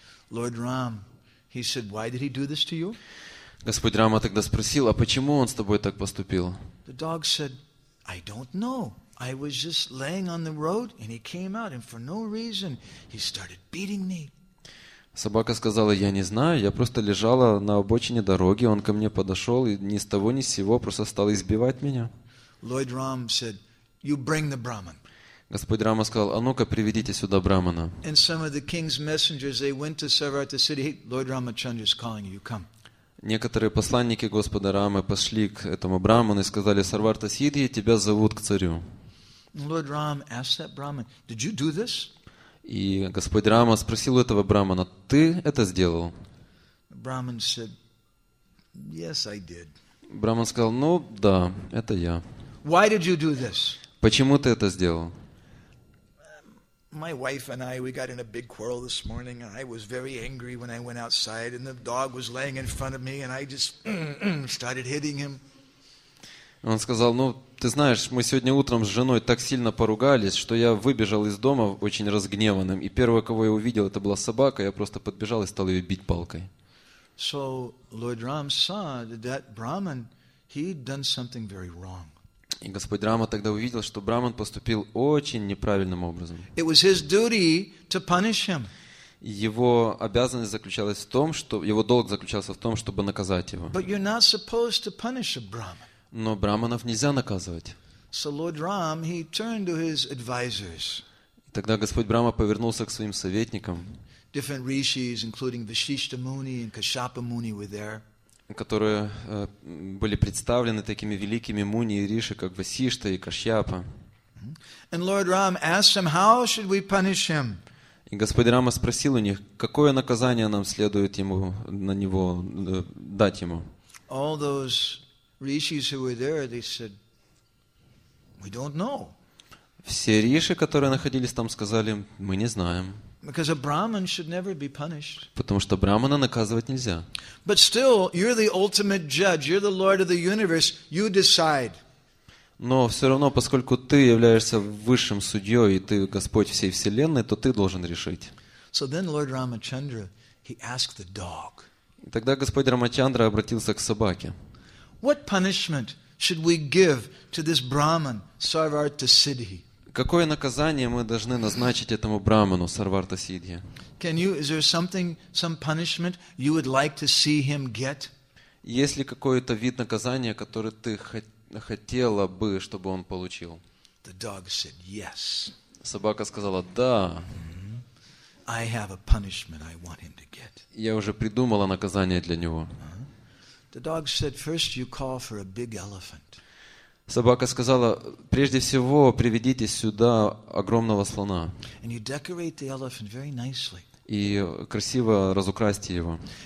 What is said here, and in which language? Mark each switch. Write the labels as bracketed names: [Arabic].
[English] Lord Ram, he said, "Why did he do this to you?" [Russian] Господь Рама тогда спросил, а почему он с тобой так поступил? [English] The dog said, "I don't know. I was just laying on the road, and he came out, and for no reason, he started beating me. [Russian] Собака сказала, я не знаю, я просто лежала на обочине дороги, он ко мне подошел и ни с того ни с сего просто стал избивать меня. [English] Lloyd Ram said, you bring the Brahman. [Russian] Господь Рама сказал, а ну-ка приведите сюда Брамана. [English] And some of the king's messengers, they went to Sarvata city, hey, Lloyd Ramachandra is calling you, come. [Russian] Некоторые посланники Господа Рамы пошли к этому Браману и сказали, Сарварта Сидхи, тебя зовут к царю. [English] Lord Ram asked that Brahman, did you do this? [Russian] И Господь Рама спросил у этого Брамана, ты это сделал? [English] Brahman said, yes, I did. [Russian] Браман сказал, ну да, это я. [English] Why did you do this? [Russian] Почему ты это сделал? [English] My wife and I, we got in a big quarrel this morning, and I was very angry when I went outside, and the dog was laying in front of me, and I just started hitting him. [Russian] Он сказал, ну, ты знаешь, мы сегодня утром с женой так сильно поругались, что я выбежал из дома очень разгневанным, и первое, кого я увидел, это была собака, я просто подбежал и стал ее бить палкой. [English] So, Lord Ram saw that Brahman, he'd done something very wrong. [Russian] И Господь Рама тогда увидел, что Браман поступил очень неправильным образом. [English] It was his duty to punish him. [Russian] Его обязанность заключалась в том, что его долг заключался в том, чтобы наказать его. [English] But you're not supposed to punish a Brahman. [Russian] Но Браманов нельзя наказывать. [English] So Lord Ram, he turned to his advisors. [Russian] Тогда Господь Брама повернулся к своим советникам. [English] Different rishis, including Vasishtha Muni and Kashyapa Muni, were there. [Russian] Которые были представлены такими великими муни и риши, как Васишта и Кашьяпа. [English] And Lord Ram asked him, how should we punish him? [Russian] И Господь Рама спросил у них, какое наказание нам следует ему на него дать ему. [English] All those rishis who were there, they said, we don't know. [Russian] Все риши, которые находились там, сказали, мы не знаем. [English] Because a Brahman should never be punished. [Russian] Потому что Брамана наказывать нельзя. [English] But still, you're the ultimate judge. You're the Lord of the universe. You decide. [Russian] Но все равно, поскольку ты являешься высшим судьей, и ты Господь всей вселенной, то ты должен решить. [English] So then Lord Ramachandra, he asked the dog. [Russian] Тогда Господь Рамачандра обратился к собаке. [English] What punishment should we give to this Brahman, Sarvarta Siddhi? [Russian] Какое наказание мы должны назначить этому Браману, Сарварта Сидхи? [English] Can you, is there something, some punishment you would like to see him get? [Russian] Есть ли какой-то вид наказания, который ты хотела бы, чтобы он получил? [English] The dog said, yes. [Russian] Собака сказала, да. [English] I have a punishment I want him to get. [Russian] Я уже придумала наказание для него. [English] The dog said, first you call for a big elephant. [Russian] Собака сказала, прежде всего, приведите сюда огромного слона. И красиво разукрасьте его.